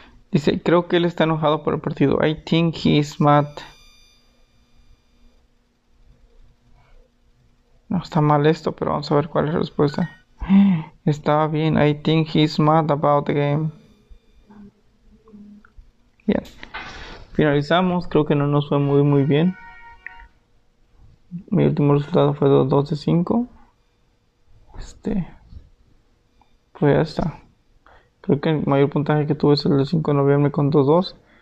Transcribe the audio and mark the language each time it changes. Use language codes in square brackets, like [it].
[es] Dice, creo que él está enojado por el partido. [en] I think he is mad. [es] No está mal esto, pero vamos a ver cuál es la respuesta. Estaba bien. [en] I think he is mad about the game. [es] Bien. Finalizamos. Creo que no nos fue muy, muy bien. Mi último resultado fue 2 de 5. Pues ya está. Creo que el mayor puntaje que tuve es el de 5 de noviembre con 2-2.